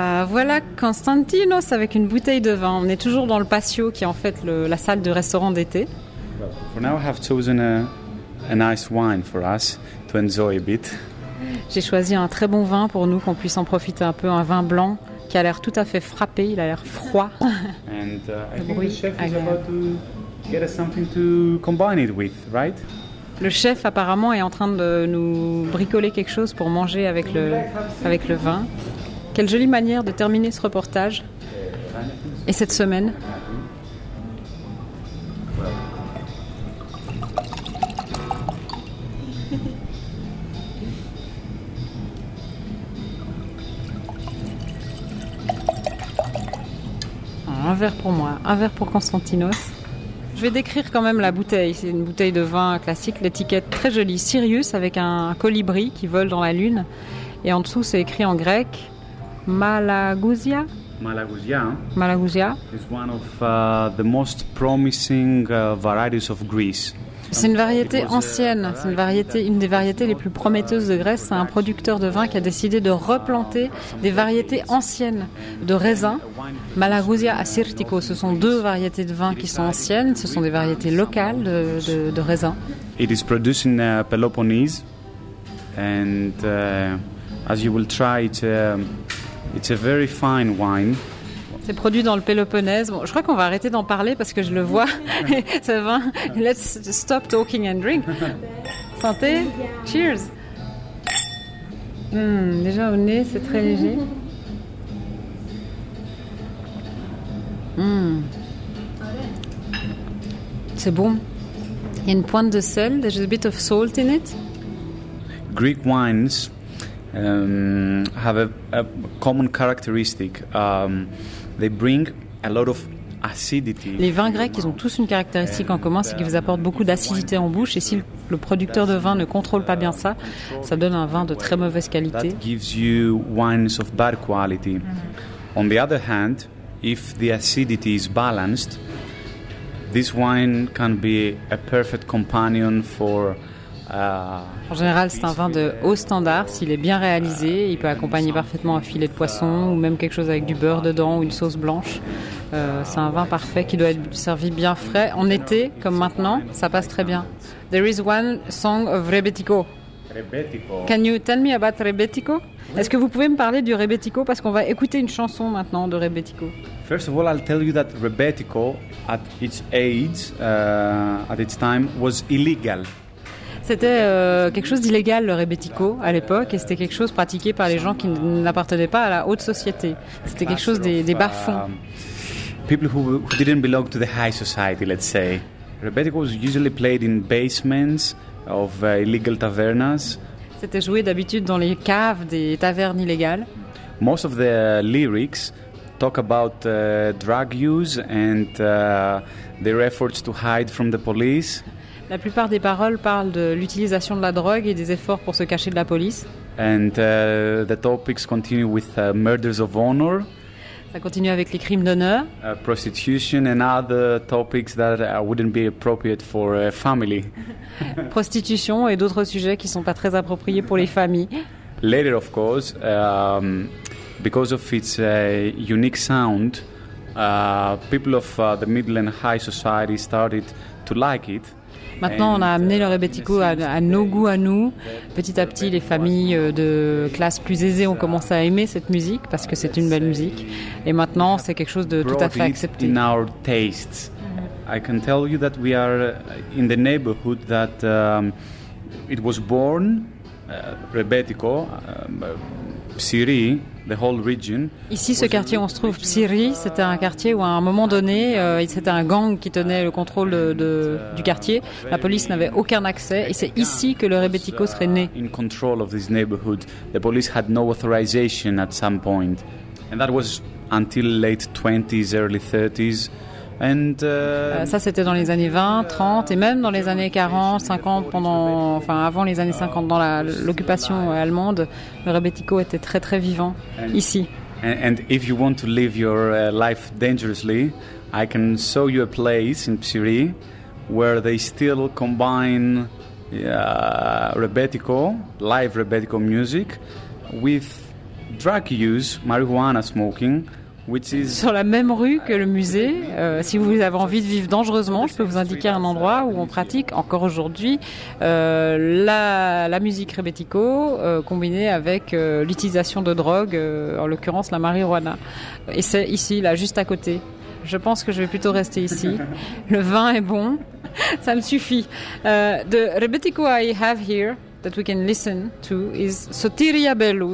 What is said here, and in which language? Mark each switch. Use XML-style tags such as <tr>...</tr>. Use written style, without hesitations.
<fr>Voilà Constantinos avec une bouteille de vin. On est toujours dans le patio qui est en fait la salle de restaurant d'été.</fr> <en>For now, I have chosen a nice wine for us to enjoy a bit.</en> <fr>J'ai choisi un très bon vin pour nous qu'on puisse en profiter un peu. Un vin blanc qui a l'air tout à fait frappé. Il a l'air froid.</fr> <en>And I think the chef is about to get us something to combine it with, right?</en> <fr>Le chef apparemment est en train de nous bricoler quelque chose pour manger avec le vin. Quelle jolie manière de terminer ce reportage et cette semaine. Un verre pour moi, un verre pour Constantinos. Je vais décrire quand même la bouteille. C'est une bouteille de vin classique, l'étiquette très jolie. Sirius avec un colibri qui vole dans la lune. Et en dessous, c'est écrit en grec... Malagousia. Malagousia. Malagousia.</fr> <en>It's one of the most promising varieties of Greece.</en> <fr>C'est une variété ancienne. C'est une des variétés les plus prometteuses de Grèce. C'est un producteur de vin qui a décidé de replanter des variétés anciennes de raisins. Malagousia Assyrtiko. Ce sont deux variétés de vin qui sont anciennes. Ce sont des variétés locales de raisins.</fr> <en>It is produced in Peloponnese, and as you will try it. It's a very fine wine.</en> <fr>C'est produit dans le Péloponnèse. Bon, je crois qu'on va arrêter d'en parler parce que je le vois. Ça va.</fr> <en>Let's stop talking and drink.</en> <fr>Santé. Cheers. Déjà au nez, c'est très léger. C'est bon. Il y a une pointe de sel.</fr> <en>There's a bit of salt in it. Greek wines. Have a common characteristic. They bring a lot of acidity.</en> <fr>Les vins grecs, ils ont tous une caractéristique en commun, c'est qu'ils vous apportent beaucoup d'acidité en bouche. Et si le producteur de vin ne contrôle pas bien ça, ça donne un vin de très mauvaise qualité.</fr> <en>That gives you wines of bad quality. Mm-hmm. On the other hand, if the acidity is balanced, this wine can be a perfect companion for.</en> <fr>En général, c'est un vin de haut standard. S'il est bien réalisé, il peut accompagner parfaitement un filet de poisson ou même quelque chose avec du beurre dedans ou une sauce blanche. C'est un vin parfait qui doit être servi bien frais. En été, comme maintenant, ça passe très bien.</fr> <en>There is one song of Rebetiko. Can you tell me about Rebetiko?</en> <fr>Est-ce que vous pouvez me parler du Rebetiko? Parce qu'on va écouter une chanson maintenant de Rebetiko.</fr> <en>First of all, I'll tell you that Rebetiko, at its age, at its time, was illegal.</en> <fr>C'était quelque chose d'illégal, le rebetiko, à l'époque, et c'était quelque chose pratiqué par les gens qui n'appartenaient pas à la haute société. C'était quelque chose des bas-fonds.</fr> <en>People who didn't belong to the high society, let's say. Rebetiko was usually played in basements of illegal tavernas.</en> <fr>C'était joué d'habitude dans les caves des tavernes illégales.</fr> <en>Most of the lyrics talk about drug use and their efforts to hide from the police.</en> <fr>La plupart des paroles parlent de l'utilisation de la drogue et des efforts pour se cacher de la police.</fr> <en>And the topics continue with murders of honor.</en> <fr>Ça continue avec les crimes d'honneur.</fr> <en>Prostitution and other topics that wouldn't be appropriate for a family.</en> <fr>Prostitution et d'autres sujets qui sont pas très appropriés pour les familles.</fr> <en>Later, of course, because of its unique sound, people of the middle and high society started to like it.</en> <fr>Maintenant, on a amené le rebetiko à nos goûts, à nous. Petit à petit, les familles de classe plus aisée ont commencé à aimer cette musique parce que c'est une belle musique. Et maintenant, c'est quelque chose de tout à fait accepté.</fr> <en>In our tastes, I can tell you that we are in the neighborhood that it was born, rebetiko, Psiri. The whole region.</en> <fr>Ici, ce quartier où on se trouve, Psiri, c'était un quartier où à un moment donné, c'était un gang qui tenait le contrôle du quartier. La police n'avait aucun accès et c'est ici que le rebetiko serait né.</fr> <en>In control of this neighborhood, the police had no authorization at some point. And that was until late 20s, early 30s. And,</en> <fr>ça, c'était dans les années 20, 30 et même dans les années 40, 50, pendant, enfin, avant les années 50, dans l'occupation allemande, le Rebetiko était très, très vivant ici.</fr> <en>And if you want to live your life dangerously, I can show you a place in Psyrie where they still combine Rebetiko, live Rebetiko music, with drug use, marijuana smoking, which is</en> <fr>sur la même rue que le musée. Si vous avez envie de vivre dangereusement, je peux vous indiquer un endroit où on pratique encore aujourd'hui la musique Rebetiko combinée avec l'utilisation de drogue, en l'occurrence la marijuana. Et c'est ici, là, juste à côté. Je pense que je vais plutôt rester ici. Le vin est bon, ça me suffit.</fr> <en>The Rebetiko I have here that we can listen to is Sotiria Bellu.</en>